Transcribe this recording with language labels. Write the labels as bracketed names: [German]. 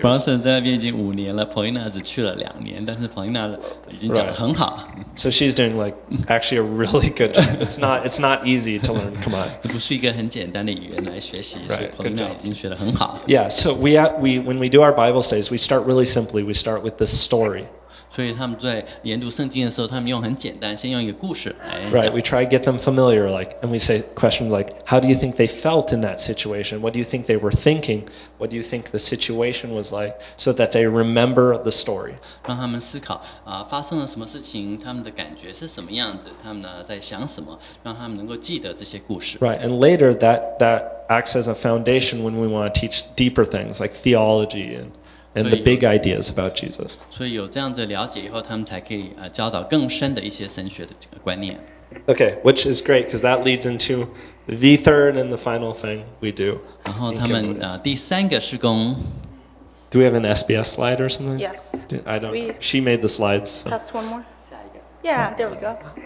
[Chinese] Bronson 在那边已经五年了 ，Paulina 只去了两年，但是 Paulina 已经讲得很好。 [English] So she's doing like actually a really good job. It's not easy to learn. Come on. [Chinese] 不是一个很简单的语言来学习，所以 Paulina 已经学得很好。 [English] Yeah, so we when we do our Bible studies, we start really simply. We start with the story. [Chinese] 所以他们在研读圣经的时候，他们用很简单，先用一个故事来。 [English] Right, we try to get them familiar, like, and we say questions like, "How do you think they felt in that situation? What do you think they were thinking? What do you think the situation was like?" So that they remember the story. [Chinese] 让他们思考啊，发生了什么事情，他们的感觉是什么样子，他们呢在想什么，让他们能够记得这些故事。 [English] Right, and later that acts as a foundation when we want to teach deeper things like theology and the big ideas about Jesus. [Chinese] 所以有这样子了解以后，他们才可以教导更深的一些神学的观念。 [English] Okay, which is great because that leads into the third and the final thing we do. [Chinese] 然后他们第三个事工。 [English] Do we have an SBS slide or something? Yes. I don't. She made the slides. Pass one more. Yeah, there we go.